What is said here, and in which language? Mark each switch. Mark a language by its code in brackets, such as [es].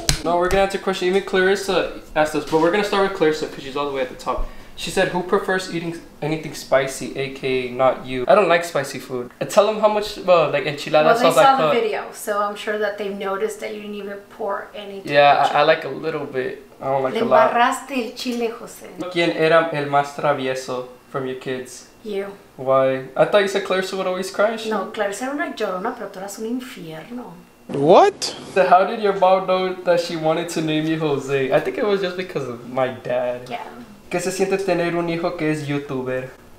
[en] No, we're going to answer questions. Even Clarissa asked us, but we're going to start with Clarissa because she's all the way at the top. She said, who prefers eating anything spicy, aka not you? I don't like spicy food. Tell them how much, well, like enchilada sauce. Well, they saw like the video, so I'm sure that they've noticed that you didn't even pour anything. Yeah, I like a little bit. I don't like a lot. [es] Le embarraste el chile, Jose. ¿Quién era el más travieso [en] from your kids? You. Why? I thought you said Clarissa would always cry. [es] No, Clarissa era una llorona, pero tú eras un infierno. [en] What? So how did your mom know that she wanted to name you Jose? I think it was just because of my dad. Yeah. [es] ¿Qué se siente tener un hijo que es youtuber?